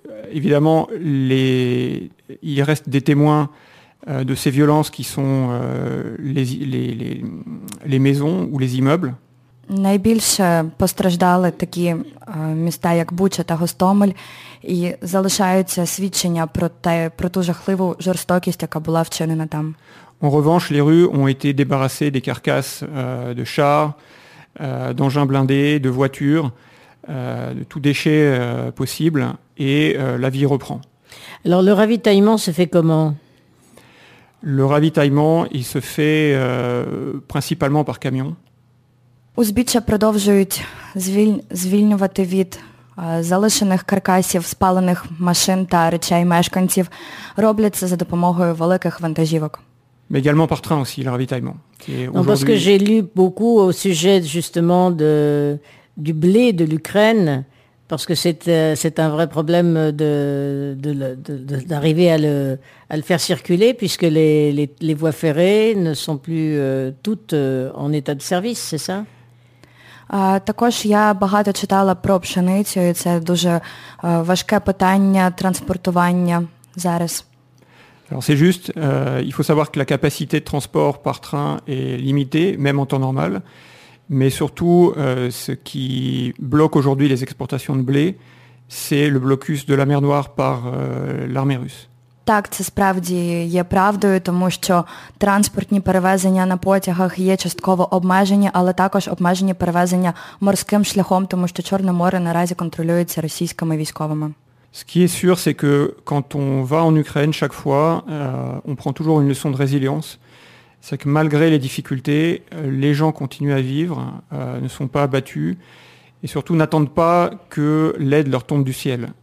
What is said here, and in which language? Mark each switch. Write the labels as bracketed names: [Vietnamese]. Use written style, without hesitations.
[French] Évidemment, il reste des témoins de ces violences qui sont les maisons ou les immeubles. [Ukrainian] Найбільше постраждали такі міста, як Буча та Гостомель, і залишаються свідчення про ту жахливу жорстокість, яка була вчинена там. [French] En revanche, les rues ont été débarrassées des carcasses de chars, d'engins blindés, de voitures, de tout déchet possible, et la vie reprend. Alors le ravitaillement se fait comment ? Le ravitaillement, il se fait principalement par camion. [Ukrainian] Узбіччя продовжують звільнювати від залишених каркасів, спалених машин та речей мешканців. Робляться за допомогою великих вантажівок. [French] Mais également par train aussi, le ravitaillement. Non, parce que j'ai lu beaucoup au sujet justement du blé de l'Ukraine, parce que c'est un vrai problème d'arriver à le faire circuler, puisque les voies ferrées ne sont plus toutes en état de service, c'est ça? [Ukrainian] Також я багато читала про пшеницю, і це дуже важке питання транспортування зараз. [French] Alors c'est juste, il faut savoir que la capacité de transport par train est limitée, même en temps normal. Mais surtout, ce qui bloque aujourd'hui les exportations de blé, c'est le blocus de la mer Noire par l'armée russe. [Ukrainian] Так, це справді є правдою, тому що транспортні перевезення на потягах є частково обмежені, але також обмежені перевезення морським шляхом, тому що Чорне море наразі контролюється російськими військовими. [French] Ce qui est sûr, c'est que quand on va en Ukraine chaque fois, on prend toujours une leçon de résilience. C'est que malgré les difficultés, les gens continuent à vivre, ne sont pas abattus et surtout n'attendent pas que l'aide leur tombe du ciel.